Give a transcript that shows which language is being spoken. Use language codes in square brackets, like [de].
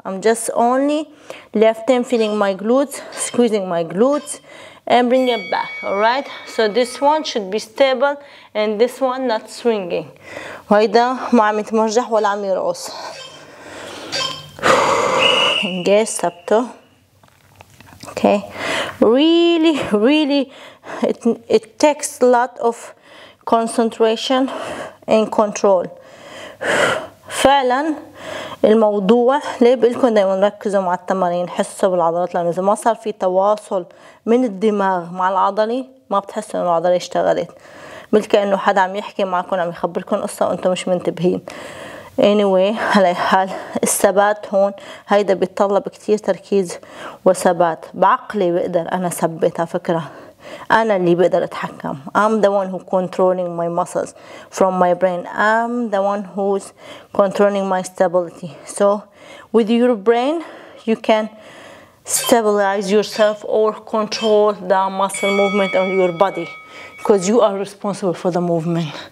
[en] I'm just only left hand feeling my glutes squeezing my glutes and bring it back. Alright، so this one should be stable and this one not swinging. [ar] وهيدا ما عم يتمرجح ولا عم يرقص. Engage ثبته. [en] Okay، really really it takes a lot of concentration and control. [ar] فعلا الموضوع ليه بقولكم دايما ركزوا مع التمارين، حسوا بالعضلات، لانه اذا ما صار في تواصل من الدماغ مع العضلي ما بتحسوا انه العضله اشتغلت، مثل كانه حدا عم يحكي معكم عم يخبركم قصه وانتم مش منتبهين. anyway على حال الثبات هون هيدا بيتطلب كتير تركيز وثبات. بعقلي بقدر انا ثبتها، فكره انا اللي بقدر اتحكم. [en] I'm the one who controlling my muscles from my brain. I'm the one who's controlling my stability. So with your brain you can stabilize yourself or control the muscle movement on your body because you are responsible for the movement.